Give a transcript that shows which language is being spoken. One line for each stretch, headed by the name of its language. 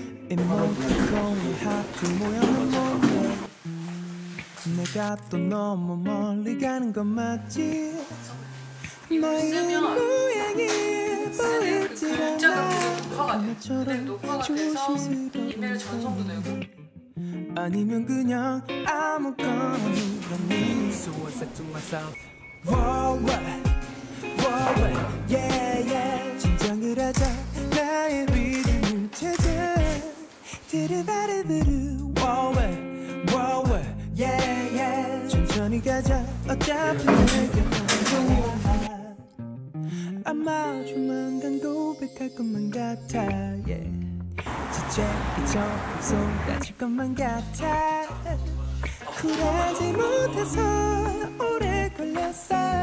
Korean: 이모티콘이 하트 모양은 뭔데 내가 또 너무 멀리 가는 건 맞지. 너의 모양이 보이질 않아. 너처럼 조심스러운 이메일 전송도 되고 아니면 그냥 아무거나 그러니.
English: So I said to myself, Wow, wow, yeah, yeah.
Korean: 진정을 하자 나의 리듬을 찾아. 드르바르드르 Wow, wow, yeah, yeah. 천천히 가자 어차피 내게 안좋아. 아마 조만간 고백할 것만 같아. Yeah. 지체기처럼 쏟아질 것만 같아. 쿨하지 못해서 오래 걸렸어.